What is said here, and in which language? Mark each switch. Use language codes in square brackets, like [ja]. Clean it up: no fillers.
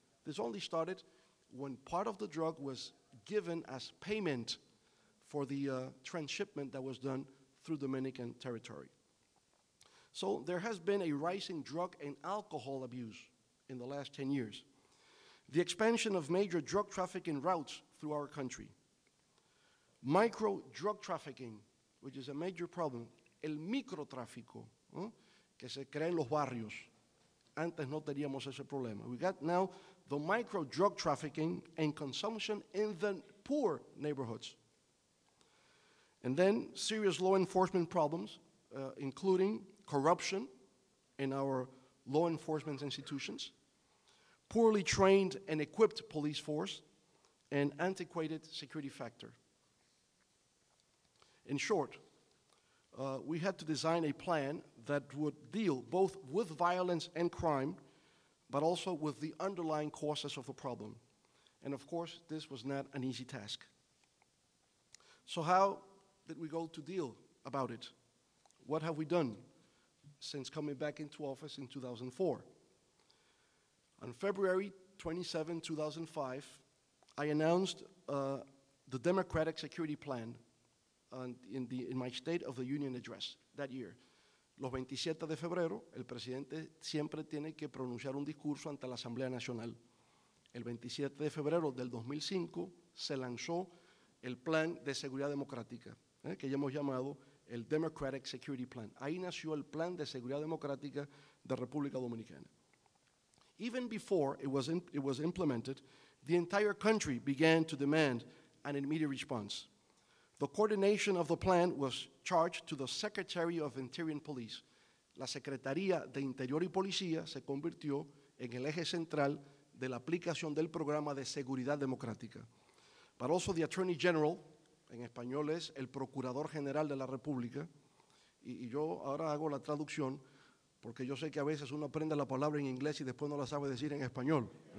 [en] This only started when part of the drug was given as payment for the transshipment that was done through Dominican territory. So there has been a rising drug and alcohol abuse in the last 10 years. The expansion of major drug trafficking routes through our country. Micro drug trafficking, which is a major problem. [es] El microtráfico, que se crea en los barrios. Antes no teníamos ese problema. [en] We got now the micro drug trafficking and consumption in the poor neighborhoods. And then serious law enforcement problems, including corruption in our law enforcement institutions, poorly trained and equipped police force, and antiquated security factor. In short, we had to design a plan that would deal both with violence and crime, but also with the underlying causes of the problem. And of course, this was not an easy task. So how did we go to deal about it? What have we done since coming back into office in 2004? On February 27, 2005, I announced the Democratic Security Plan in my State of the Union address that year. [es] Los 27 de febrero, el presidente siempre tiene que pronunciar un discurso ante la Asamblea Nacional. El 27 de febrero del 2005 se lanzó el Plan de Seguridad Democrática, que ya hemos llamado el Democratic Security Plan. Ahí nació el Plan de Seguridad Democrática de República Dominicana. [en] Even before it was implemented, the entire country began to demand an immediate response. The coordination of the plan was charged to the Secretary of Interior and Police. [es] La Secretaría de Interior y Policía se convirtió en el eje central de la aplicación del programa de seguridad democrática. [en] But also the Attorney General, [es] en español es el Procurador General de la República, y yo ahora hago la traducción porque yo sé que a veces uno aprende la palabra en inglés y después no la sabe decir en español.